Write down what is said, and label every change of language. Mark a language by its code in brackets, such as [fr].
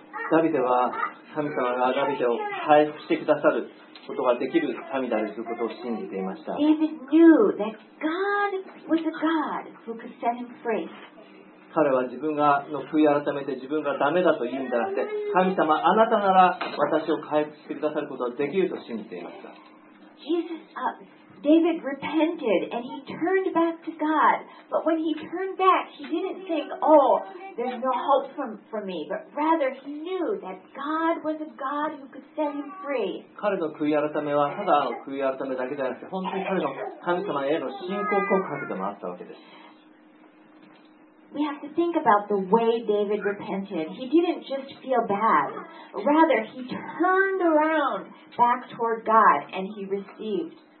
[ja] ダビデは神様がダビデを回復してくださることができる神であるということを信じていました。 [en] David knew that God was a God who could set him free. [ja] 彼は自分がの悔い改めて自分がダメだと言うんじゃなくて、神様あなたなら私を回復してくださることができると信じていました。 [en] Jesus upDavid repented and he turned back to God. But when he turned back, he didn't think, oh, there's no hope for me. But rather, he knew that God was a God who could set him free. [ja] 彼の悔い改めはただ悔い改めだけじゃなくて、本当に彼の神様への信仰告白でもあったわけです。 [en] We have to think about the way David repented. He didn't just feel bad. Rather, he turned around back toward God and he received.